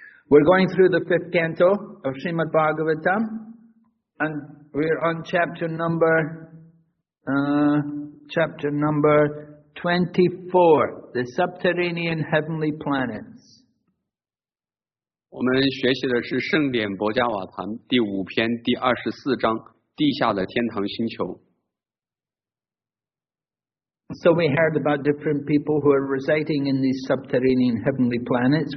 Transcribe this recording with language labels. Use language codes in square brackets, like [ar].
[en] We're going through the fifth canto of Srimad Bhagavatam, and we're on chapter number 24, the subterranean heavenly planets. [zh] 我们学习的是圣典博伽瓦坛第五篇第24章地下的天堂星球。 [en] So we heard about different people who are residing in these subterranean heavenly planets.